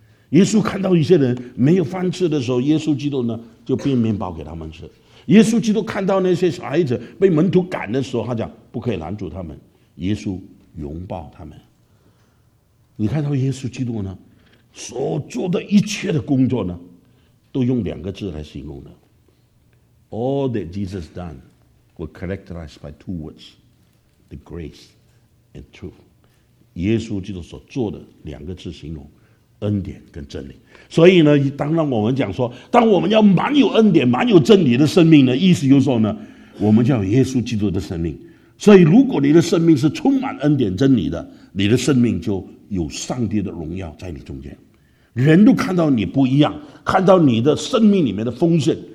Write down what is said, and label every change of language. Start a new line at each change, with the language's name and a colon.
Chinese: 耶稣看到一些人没有饭吃的时候，耶稣基督呢就变面包给他们吃。耶稣基督看到那些小孩子被门徒赶的时候，他讲不可以拦阻他们，耶稣拥抱他们。你看到耶稣基督呢所做的一切的工作呢，都用两个字来形容的。
English: All that Jesus done were characterized by two words, the grace and truth.
Chinese: 耶稣基督所做的两个字形容恩典跟真理。所以呢，当然我们讲说，当我们要满有恩典满有真理的生命呢，意思就是说呢，我们就要有耶稣基督的生命。所以如果你的生命是充满恩典真理的，你的生命就有上帝的荣耀在你中间，人都看到你不一样，看到你的生命里面的丰盛。